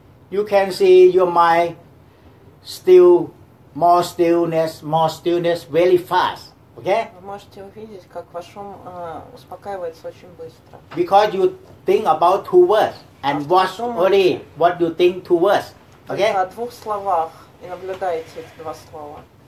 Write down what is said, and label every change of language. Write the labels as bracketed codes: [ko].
[en] You can see your mind still more stillness, very fast. Okay? [ru] Вы можете увидеть, как ваш ум успокаивается очень быстро. [en] Because you think about two words and watch only what you think two words. Okay? [ru] О двух словах и наблюдаете эти два слова.